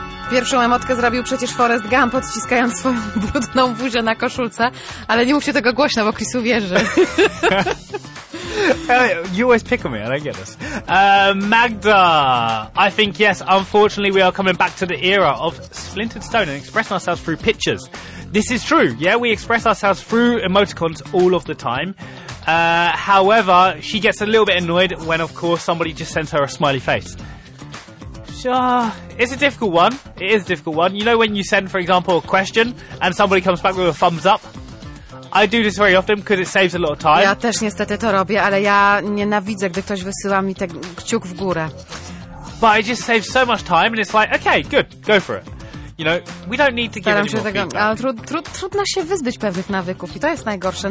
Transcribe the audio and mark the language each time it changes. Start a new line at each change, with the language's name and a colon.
Polish: Pierwszą emotkę zrobił przecież Forrest Gump, odciskając swoją brudną buzię na koszulce, ale nie mówcie tego głośno, bo Chris uwierzy.
English: You always pick on me, I don't get this. Magda, I think yes, unfortunately we are coming back to the era of splintered stone and expressing ourselves through pictures. This is true, yeah, we express ourselves through emoticons all of the time. However, she gets a little bit annoyed when, of course, somebody just sends her a smiley face. It's a difficult one. It is a difficult one. You know when you send, for example, a question and somebody comes back with a thumbs up? I do this very often because it saves a lot of time.
Polish: Ja też niestety to robię, ale ja nienawidzę, gdy ktoś wysyła mi ten kciuk w górę.
English: But it just saves so much time and it's like, okay, good, go for it. You know, we don't need to give any more feedback.
Polish: Ale trudno się wyzbyć pewnych nawyków i to jest najgorsze.